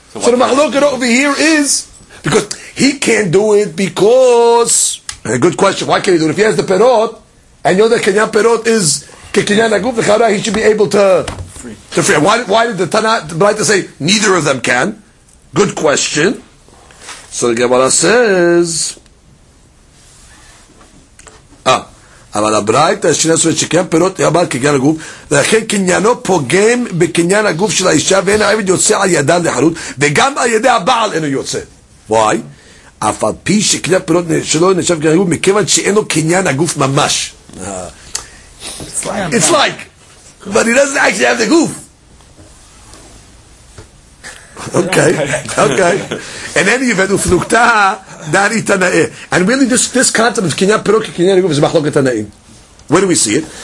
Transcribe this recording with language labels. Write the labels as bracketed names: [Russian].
[English] So the mahalokah over here is, because he can't do it because, and a good question, why can't he do it? If he has the Perot, and you know that Kinyan Perot is Kinyan Aguf, he should be able to free. Why did the Tanah, the Braita say, neither of them can? Good question. [Hebrew] So the Gemara says, אבל הברית השנייה סובת שקיים פירות יאמר כקניין הגוף ולכן קניינו פוגם בקניין הגוף של האישה ואין העבד יוצא על ידה לחרות וגם על ידי הבעל אינו יוצא. Why? אף על פי שקניין פירות שלו נשאב קניין הגוף מכיוון שאינו קניין הגוף ממש. [English] It's like, but he doesn't actually have the goof. Okay. In any event, ufnukta dari tanae. And really, this concept of kinyan perot kinyan aguf is machloket tanaim. Where do we see it?